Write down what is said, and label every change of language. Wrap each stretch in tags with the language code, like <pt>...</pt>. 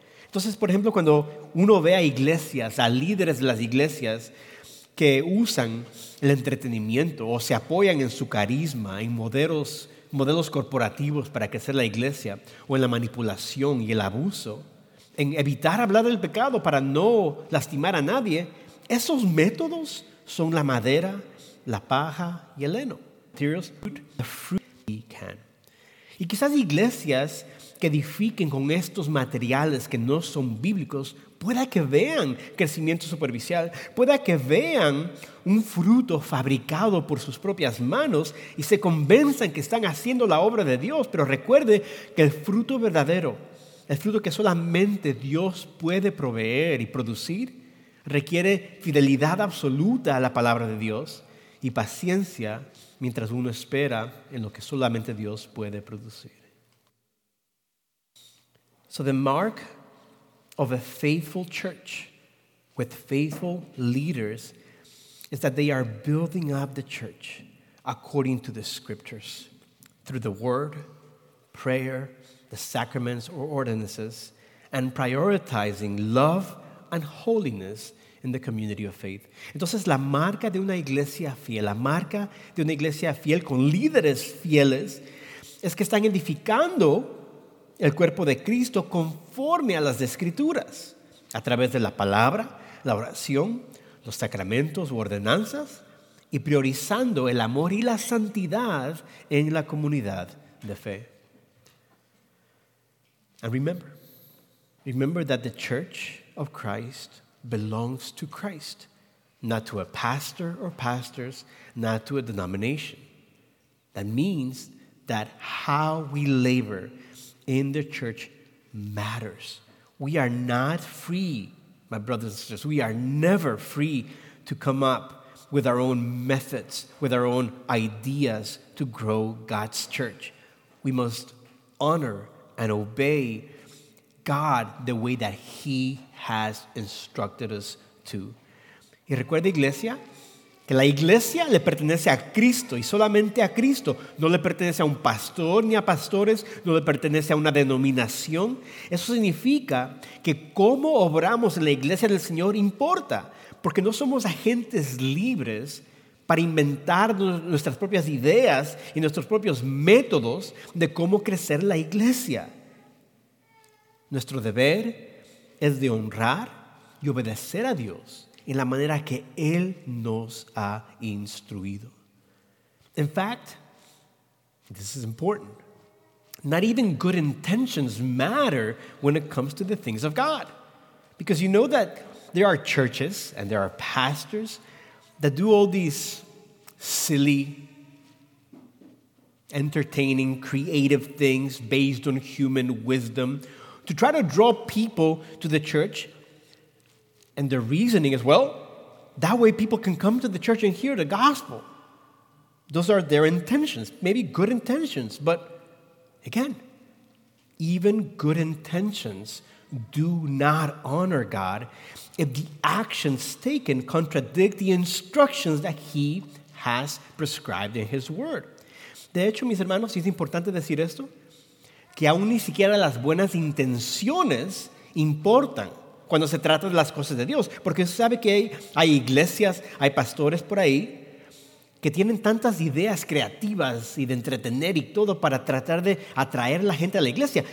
<es>Entonces, por ejemplo, cuando uno ve a iglesias, a líderes de las iglesias que usan el entretenimiento o se apoyan en su carisma, en modelos corporativos para crecer la iglesia o en la manipulación y el abuso, en evitar hablar del pecado para no lastimar a nadie, esos métodos son la madera, la paja y el heno.</es> <en>Materials, the fruit we can.</en> <es>Y quizás iglesias que edifiquen con estos materiales que no son bíblicos, pueda que vean crecimiento superficial, pueda que vean un fruto fabricado por sus propias manos y se convenzan que están haciendo la obra de Dios. Pero recuerde que el fruto verdadero, el fruto que solamente Dios puede proveer y producir, requiere fidelidad absoluta a la palabra de Dios y paciencia mientras uno espera en lo que solamente Dios puede producir.</es> <en>So the mark of a faithful church with faithful leaders is that they are building up the church according to the scriptures through the word, prayer, the sacraments or ordinances, and prioritizing love and holiness in the community of faith.</en> <es>Entonces, la marca de una iglesia fiel, la marca de una iglesia fiel con líderes fieles, es que están edificando el cuerpo de Cristo conforme a las escrituras, a través de la palabra, la oración, los sacramentos u ordenanzas, y priorizando el amor y la santidad en la comunidad de fe.</es> <en>And remember that the church of Christ belongs to Christ, not to a pastor or pastors, not to a denomination. That means that how we labor in the church matters. We are not free, my brothers and sisters, we are never free to come up with our own methods, with our own ideas to grow God's church. We must honor and obey God the way that He has instructed us to.</en> <es>Y recuerda, iglesia, que la iglesia le pertenece a Cristo y solamente a Cristo. No le pertenece a un pastor ni a pastores, no le pertenece a una denominación. Eso significa que cómo obramos en la iglesia del Señor importa, porque no somos agentes libres para inventar nuestras propias ideas y nuestros propios métodos de cómo crecer la iglesia. Nuestro deber es de honrar y obedecer a Dios en la manera que Él nos ha instruido.</es> <en>In fact, this is important, not even good intentions matter when it comes to the things of God. Because you know that there are churches and there are pastors that do all these silly, entertaining, creative things based on human wisdom to try to draw people to the church. And their reasoning is, well, that way people can come to the church and hear the gospel. Those are their intentions, maybe good intentions. But again, even good intentions do not honor God if the actions taken contradict the instructions that He has prescribed in His word.</en> <es>De hecho, mis hermanos, es importante decir esto, que aún ni siquiera las buenas intenciones importan cuando se trata de las cosas de Dios. Porque usted sabe que hay iglesias, hay pastores por ahí que tienen tantas ideas creativas y de entretener y todo para tratar de atraer a la gente a la iglesia.</es>